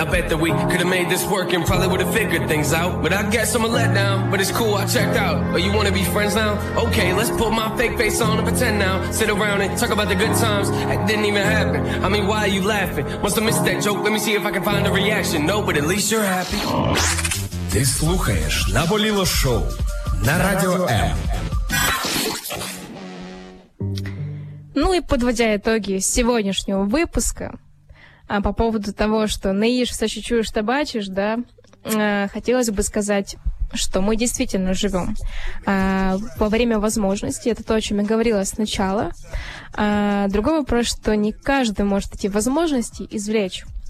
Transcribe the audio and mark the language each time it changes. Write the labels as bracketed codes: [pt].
[en] I bet that we could've made this work and probably would've figured things out. But I guess I'm a letdown, but it's cool, I checked out. Oh, you wanna be friends now? Okay, let's put my fake face on and pretend now. Sit around and talk about the good times. That didn't even happen. I mean, why are you laughing? Must've missed that joke, let me see if I can find a reaction. No, but at least you're happy. [uk] Ти слухаєш «Наболіло шоу» на Радіо М. [ru] Ну и подводя итоги сегодняшнего выпуска по поводу того, что не ешь все, что чуешь, то бачишь, да, хотелось бы сказать, что мы действительно живем во время возможностей. Это то, о чем я говорила сначала. Другой вопрос, что не каждый может эти возможности извлечь.